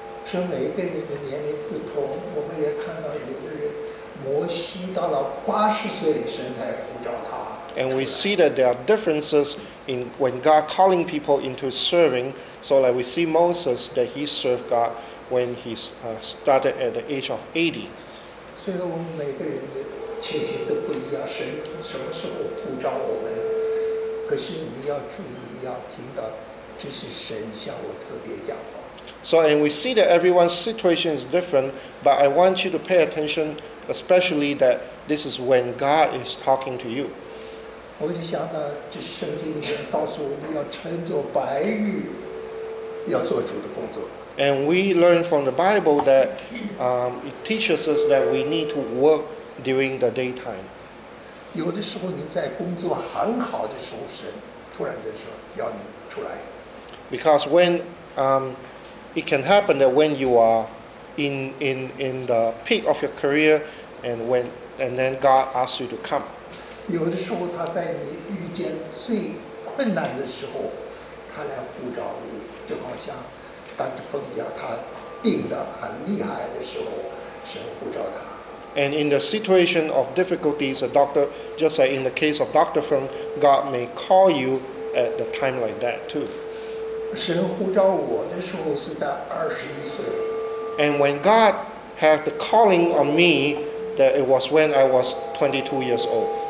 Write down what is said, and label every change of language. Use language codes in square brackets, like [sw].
[zh] 是每个人的年龄不同，我们也看到有的人，摩西到了80岁神才呼召他。 [en] And we see that there are differences in when God calling people into serving. So like we see Moses that he served God when he started at the age of 80. [zh] 所以我们每个人的情形都不一样，神什么时候呼召我们？可是你要注意，要听到，这是神向我特别讲话。 [en] So and we see that everyone's situation is different, but I want you to pay attention, especially that this is when God is talking to you. [zh] 我就想到，这圣经里面告诉我们要乘着白日，要做主的工作。 [en] And we learn from the Bible that it teaches us that we need to work during the daytime. [zh] 有的时候你在工作很好的时候，神突然间说要你出来。 [en] Because when it can happen that when you are in the peak of your career and when and then God asks you to come. [zh] 有的时候他在你遇见最困难的时候，他来呼召你，就好像当时风一样，他病得很厉害的时候，神呼召他。 [en] And in the situation of difficulties, a doctor, just like in the case of Dr. Feng, God may call you at the time like that too. [zh] 神呼召我的时候是在21岁。 [en] And when God had the calling on me, that it was when I was 22 years old.